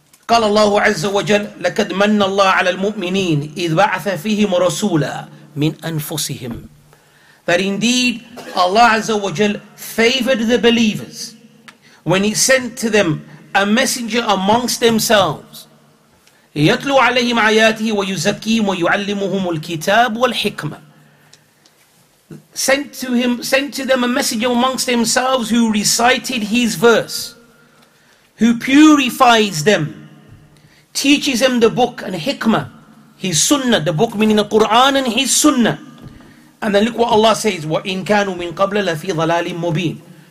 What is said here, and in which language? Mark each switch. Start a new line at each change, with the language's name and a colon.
Arabic: قال الله عز وجل لَكَدْ مَنَّ اللَّهُ عَلَى الْمُؤْمِنِينَ إِذْ بَعَثَ فِيهِمْ رَسُولًا مِنْ أَنفُسِهِمْ.
English: That indeed Allah Azza wa Jal favored the believers when he sent to them a messenger amongst themselves.
Arabic: يتلو عليهم آياته ويزكيهم ويعلمهم الكتاب والحكمة.
English: Sent to them a messenger amongst themselves who recited his verse, who purifies them, teaches them the book and hikmah, his sunnah, the book meaning the Quran and his sunnah. And then look what Allah says,
Arabic: وَإِن كَانُوا مِن قَبْلَ لَفِي ظَلَالٍ مُبِينٍ.